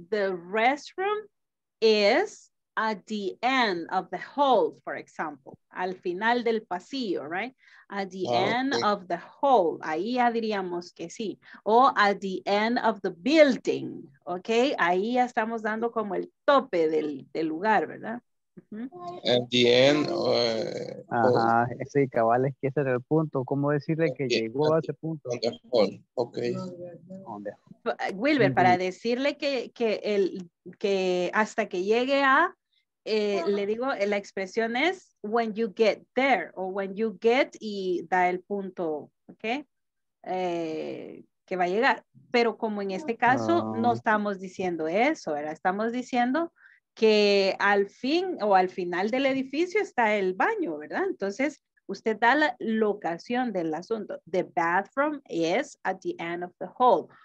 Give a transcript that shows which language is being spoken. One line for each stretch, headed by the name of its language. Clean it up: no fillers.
English: The restroom is at the end of the hall, for example.
Spanish: Al final del pasillo,
English: right? At the end of the hall.
Spanish: Ahí ya diríamos que sí. O
English: at the end of the building, okay?
Spanish: Ahí ya estamos dando como el tope del lugar, ¿verdad?
English: Uh-huh. At the end.
Spanish: Ajá, sí, cabal, es que ese era el punto. ¿Cómo decirle que llegó a ese punto?
English: On the hall, okay.
Spanish: Wilber, para decirle que hasta que llegue a, le digo, la expresión es
English: when you get there,
Spanish: o
English: when you get,
Spanish: y da el punto, ok, que va a llegar. Pero como en este caso, no estamos diciendo eso, ¿verdad? Estamos diciendo que al fin o al final del edificio está el baño, ¿verdad? Entonces, usted da la locación del asunto.
English: The bathroom is at the end of the hall.